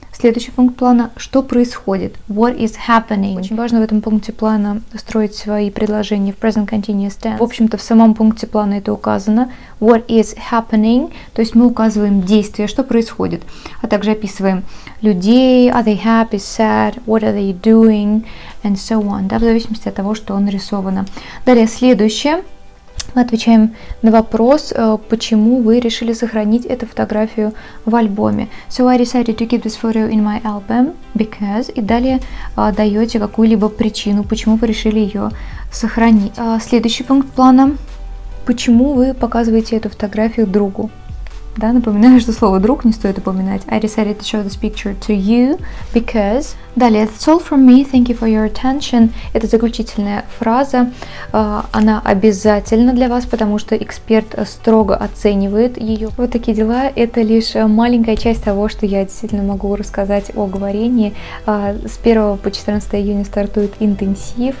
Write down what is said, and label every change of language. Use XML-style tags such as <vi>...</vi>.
<ru>Следующий пункт плана – что происходит?</ru> <en>What is happening?</en> <ru>Очень важно в этом пункте плана строить свои предложения в present continuous tense. В общем-то, в самом пункте плана это указано.</ru> <en>What is happening?</en> <ru>То есть мы указываем действие, что происходит. А также описываем людей,</ru> <en>are they happy, sad, what are they doing, and so on.</en> <ru>Да, в зависимости от того, что нарисовано. Далее, следующее. Мы отвечаем на вопрос, почему вы решили сохранить эту фотографию в альбоме.</ru> <en>So I decided to keep this photo in my album because...</en> <ru>И далее даете какую-либо причину, почему вы решили ее сохранить. Следующий пункт плана. Почему вы показываете эту фотографию другу? Да, напоминаю, что слово «друг» не стоит упоминать.</ru> <en>I decided to show this picture to you because... Далее, that's all from me, thank you for your attention.</en> <ru>Это заключительная фраза. Она обязательна для вас, потому что эксперт строго оценивает ее. Вот такие дела. Это лишь маленькая часть того, что я действительно могу рассказать о говорении. С 1 по 14 июня стартует интенсив.</ru>